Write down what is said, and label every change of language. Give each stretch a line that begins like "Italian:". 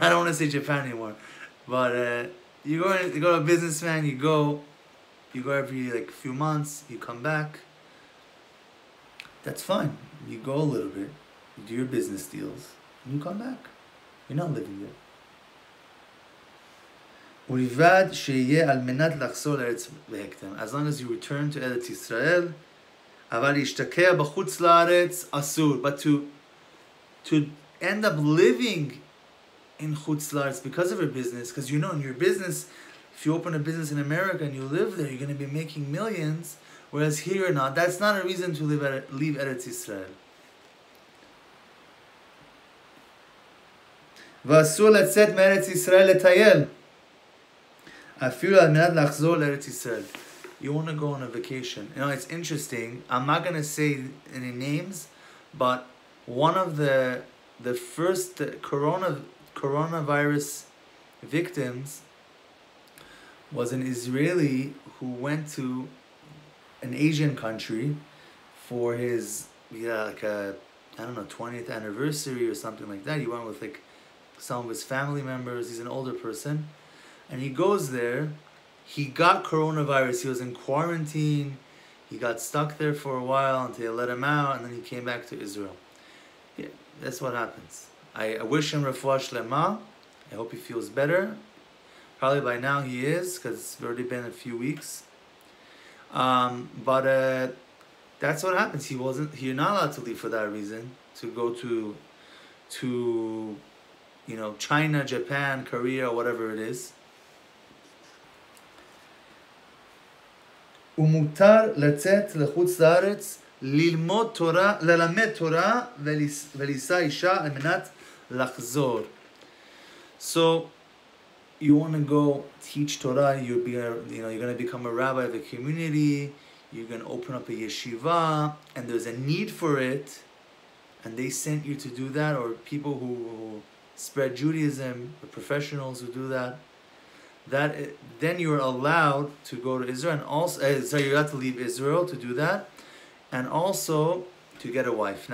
English: I don't want to say Japan anymore. But you go to a businessman. You go every like few months. You come back. That's fine. You go a little bit. You do your business deals. And you come back. You're not living there.
Hebrew: ולבד שיהיה על מנת לחזור לארץ בהקדם.
English: As long as you return to Eretz Yisrael,
Hebrew: אבל להשתקע בחוץ לארץ אסור.
English: But to end up living in Chutz Laaretz because of your business, because you know in your business, if you open a business in America and you live there, you're going to be making millions, whereas here or not, that's not a reason to leave Eretz Yisrael.
Hebrew: ואסור לצאת מארץ ישראל לטייל. אפילו על מנת לחזור לארץ ישראל.
English: You want to go on a vacation. You know, it's interesting. I'm not going to say any names, but one of the first coronavirus victims was an Israeli who went to an Asian country for his, yeah, like a, I don't know, 20th anniversary or something like that. He went with, like, some of his family members. He's an older person. And he goes there. He got coronavirus. He was in quarantine. He got stuck there for a while until they let him out. And then he came back to Israel. Yeah, that's what happens. I wish him refuah shlema. I hope he feels better. Probably by now he is, because it's already been a few weeks. But that's what happens. You're not allowed to leave for that reason. To go to you know, China, Japan, Korea, whatever it is.
Hebrew: ומותר לצאת לחוץ לארץ ללמוד תורה, ללמד תורה ולישא אישה על מנת לחזור.
English: So you want to go teach Torah, you're going to become a rabbi of the community, you're going to open up a yeshiva, and there's a need for it, and they sent you to do that, or people who spread Judaism, the professionals who do that, then you are allowed to go to Israel, and also, sorry, you have to leave Israel to do that, and also to get a wife.